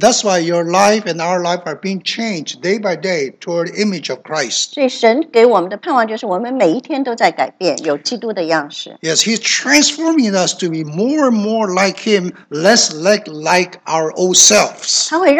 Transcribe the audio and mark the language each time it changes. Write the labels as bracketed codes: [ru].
[en] that's why your life and our life are being changed day by day toward the image of Christ. [zh] 所以神给我们的盼望就是我们每一天都在改变，有基督的样式。 [en] Yes, he's transforming us to be more and more like him, less like our old selves.